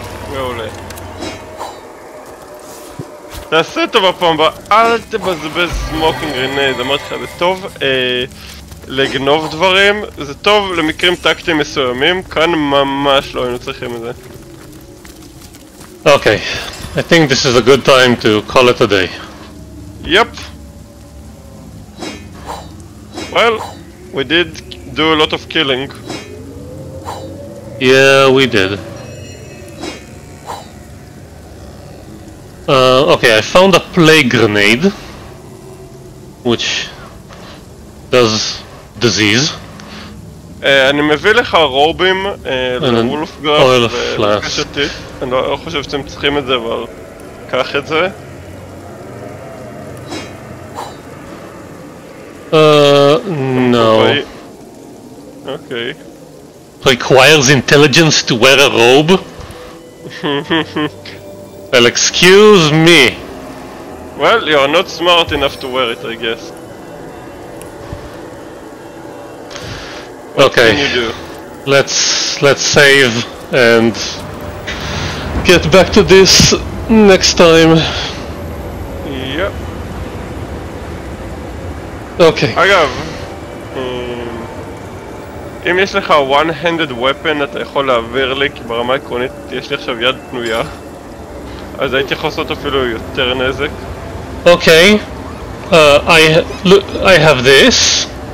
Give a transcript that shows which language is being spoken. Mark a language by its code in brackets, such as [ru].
[he] מעולה. תעשה טוב הפעם הבאה, אל תבזבז סמוקינג רנד, אמרתי לך, זה טוב לגנוב דברים, זה טוב למקרים טקטיים מסוימים, כאן ממש לא היינו צריכים את זה. [en] Okay, I think this is a good time to call it a day. Yep. Well, we did do a lot of killing. Yeah, we did. Okay, I found a plague grenade, which does disease. [he] אני מביא לך רובים לוולפגרף ולבקש אותי. אני לא חושב שאתם צריכים את זה, אבל קח את זה. [en] No. Okay. Requires intelligence to wear a robe? Well, excuse me. Well, you're not smart enough to wear it, I guess. What okay, let's save and get back to this next time. Yep. Okay. [he] אגב, אם יש לך [en] one-handed weapon [he] אתה יכול להעביר לי, כי ברמה עקרונית יש לי עכשיו יד פנויה, אז הייתי יכול לעשות אפילו יותר נזק. [en] Okay, I have this.